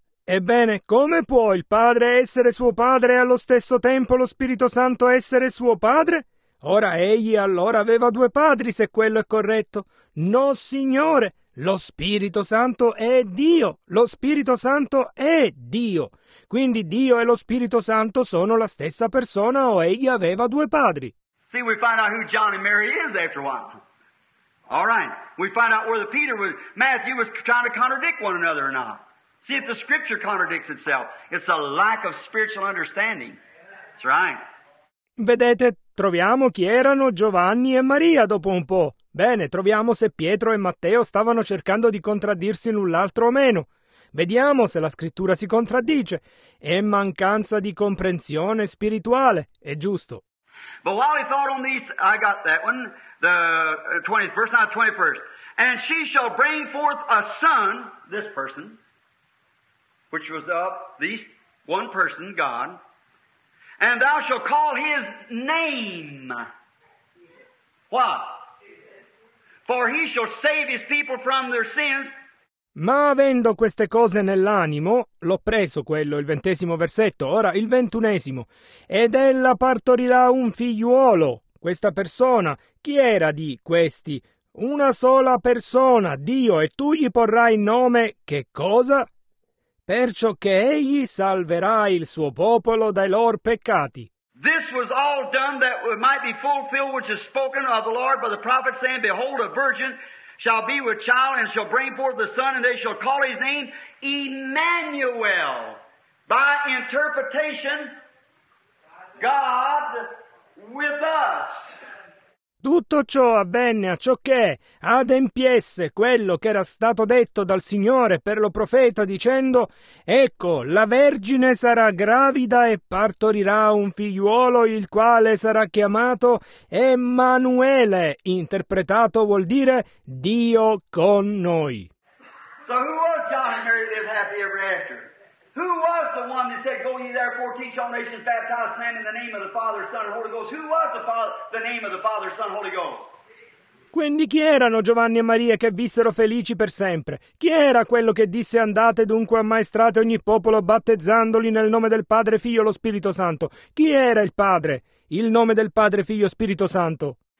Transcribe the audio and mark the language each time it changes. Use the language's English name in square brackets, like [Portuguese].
[Italian] Ebbene, come può il Padre essere suo padre e allo stesso tempo lo Spirito Santo essere suo padre? Ora, egli allora aveva due padri, se quello è corretto. No, Signore! Lo Spirito Santo è Dio! Lo Spirito Santo è Dio! Quindi Dio e lo Spirito Santo sono la stessa persona o egli aveva due padri? [English] See, we find out who John and Mary is after a while. All right. We find out whether Peter was, Matthew was trying to contradict one another or not. See if the scripture contradicts itself. It's a lack of spiritual understanding. That's right. [Italian] Vedete, troviamo chi erano Giovanni e Maria dopo un po'. Bene, troviamo se Pietro e Matteo stavano cercando di contraddirsi l'un l'altro o meno. Vediamo se la scrittura si contraddice. È mancanza di comprensione spirituale, è giusto. [English] But while he thought on these, I got that one, the 20th, verse, not 21st. And she shall bring forth a son, this person, which was of this one person, God. And thou shalt call his name. What? For he shall save his people from their sins. [Italian] Ma avendo queste cose nell'animo, l'ho preso quello, il 20° versetto, ora il 21°. Ed ella partorirà un figliuolo, questa persona. Chi era di questi? Una sola persona, Dio, e tu gli porrai nome, che cosa? Perciò che egli salverà il suo popolo dai loro peccati. [English] This was all done that it might be fulfilled which is spoken of the Lord by the prophet, saying, Behold, a virgin shall be with child, and shall bring forth the son, and they shall call his name Emmanuel. By interpretation, God with us. [Italian] Tutto ciò avvenne a ciò che adempiesse quello che era stato detto dal Signore per lo profeta, dicendo, ecco, la Vergine sarà gravida e partorirà un figliuolo, il quale sarà chiamato Emmanuele, interpretato vuol dire Dio con noi. [English] So who was John and Mary lived happy ever after? Who was the one that said, Go ye therefore, teach all nations, baptize them in the name of the Father, Son, and Holy Ghost? Who was the Father, the name of the Father, Son, Holy Ghost? [Italian] Quindi chi erano Giovanni e Maria che vissero felici per sempre? Chi era quello che disse andate dunque ammaestrate ogni popolo battezzandoli nel nome del Padre, Figlio e lo Spirito Santo? Chi era il Padre? Il nome del Padre, Figlio e Spirito Santo?